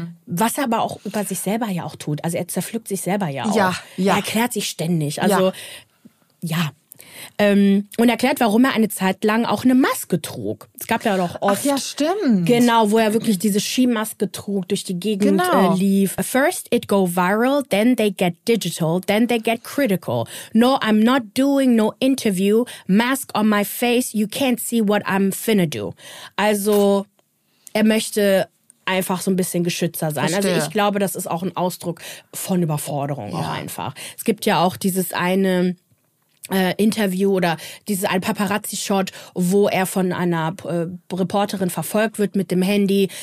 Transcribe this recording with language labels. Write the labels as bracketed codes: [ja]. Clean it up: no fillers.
[de] Was er aber auch über sich selber ja auch tut. Also er zerpflückt sich selber ja auch. Ja. Er erklärt sich ständig. Also ja. Und erklärt, warum er eine Zeit lang auch eine Maske trug. Es gab ja doch oft. Ach ja, stimmt. Genau, wo er wirklich diese Skimaske trug, durch die Gegend lief. [en] First it go viral, then they get digital, then they get critical. No, I'm not doing no interview. Mask on my face, you can't see what I'm finna do. [de] Also, er möchte einfach so ein bisschen geschützter sein. Verstehe. Also ich glaube, das ist auch ein Ausdruck von Überforderung auch einfach. Es gibt ja auch dieses eine Interview oder dieses ein Paparazzi-Shot, wo er von einer Reporterin verfolgt wird mit dem Handy.